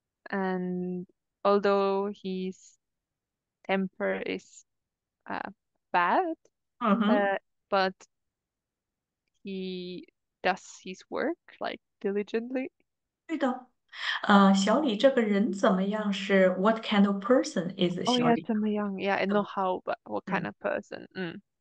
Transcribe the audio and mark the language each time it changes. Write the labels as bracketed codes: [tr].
[en] And although his temper is bad, but he does his work like diligently. [zh] 对的，小李这个人怎么样？是 [en] what kind of person is 哦 [zh] 小呀，李？怎么样？ [en] Yeah, I know how, but what kind of person?